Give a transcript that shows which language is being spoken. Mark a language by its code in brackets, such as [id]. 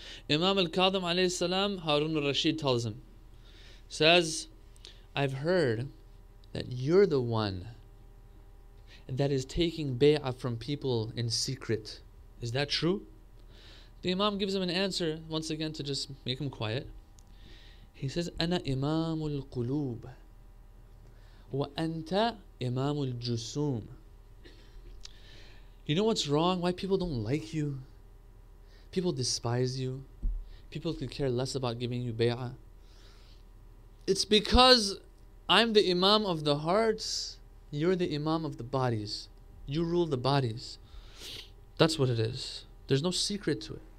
[en] Imam al-Kadhim alayhi salam, Harun al-Rashid tells him, says, I've heard that you're the one that is taking bay'ah from people in secret. Is that true? The imam gives him an answer, once again to just make him quiet. He says, [ar] أنا إمام القلوب وأنت إمام الجسوم. [en] You know what's wrong? Why people don't like you? People despise you. People could care less about giving you bay'ah. It's because I'm the imam of the hearts. You're the imam of the bodies. You rule the bodies. That's what it is. There's no secret to it.